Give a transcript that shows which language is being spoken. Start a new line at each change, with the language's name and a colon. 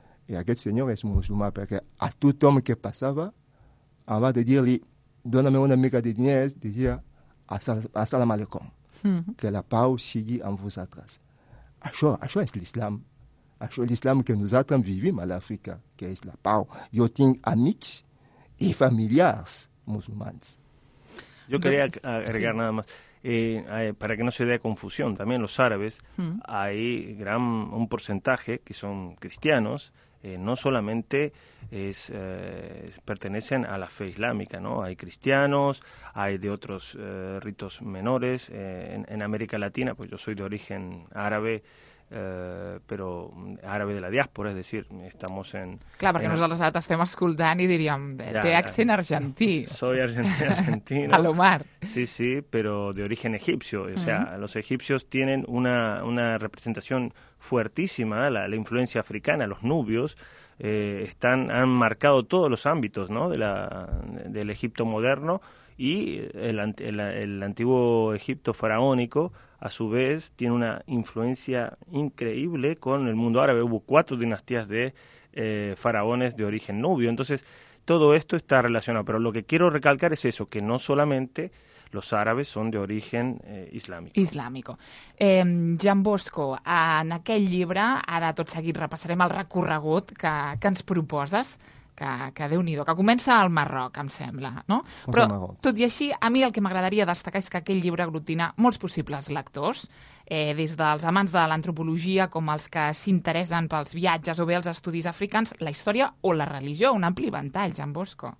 Catalan: I aquest senyor és musulmà, perquè a tothom que passava, em va dir-li, dona-me una mica de diners, diria,
Arabic: Assalam alaikum.
Catalan: Que la pau sigui amb vosaltres. Això és l'islam. Això és l'islam que nosaltres vivim a l'Àfrica, que és la pau. Jo tinc amics i familiars musulmans. Jo queria
Spanish: agregar nada más. Para que no se dé confusión, también los árabes, hay un porcentaje que son cristianos, no solamente pertenecen a la fe islámica, ¿no? Hay cristianos, hay de otros ritos menores. En América Latina, pues yo soy de origen árabe,
Catalan: però àrabe de la diàspora, és a dir, estem en... Clar, perquè nosaltres ara t'estem escoltant i diríem, té accent argentí.
Spanish: Soy argentino.
Catalan: A l'Omar.
Spanish: Sí, sí,
Catalan: però d'origen
Spanish: egipcio. O sea, los egipcios tienen una representación fuertísima, la influencia africana, los nubios, han marcado todos los ámbitos, ¿no?, del Egipto moderno, y el antiguo Egipto faraónico, a su vez, tiene una influencia increíble con el mundo árabe. Hubo 4 dinastías de faraones de origen nubio. Entonces, todo esto está relacionado. Pero lo que quiero recalcar es eso, que no solamente los árabes son de origen islámico. Islámico.
Catalan: Jean Bosco, en aquest llibre, ara tot seguit repassarem el recorregut que ens proposes, que Déu-n'hi-do, que comença al Marroc, em sembla, no? Però, tot i així, a mi el que m'agradaria destacar és que aquell llibre aglutina molts possibles lectors, des dels amants de l'antropologia com els que s'interessen pels viatges o bé els estudis africans, la història o la religió, un ampli ventall, Jean Bosco.